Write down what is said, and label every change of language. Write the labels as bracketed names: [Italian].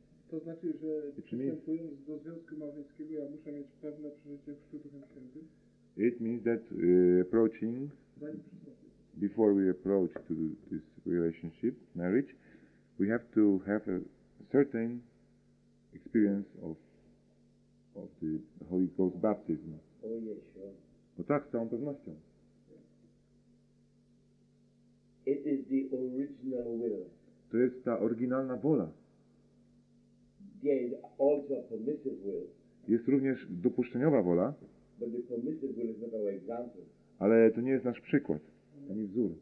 [Polish] To znaczy, że przystępując do związku małżeńskiego, ja muszę mieć pewne przeżycie chrztu Duchem Świętym? [English] It means that approaching, before we approach to this relationship, marriage, we have to have a certain experience of the Holy Ghost baptism. Oh yes, sure. [Polish] Bo tak, z całą pewnością. [English] It is the original will. [Polish] To jest ta oryginalna wola. [English] There is also a permissive will. [Polish] Jest również dopuszczeniowa wola. [English] But the permissive will is not our example. [Polish] Ale to nie jest nasz przykład, ani wzór.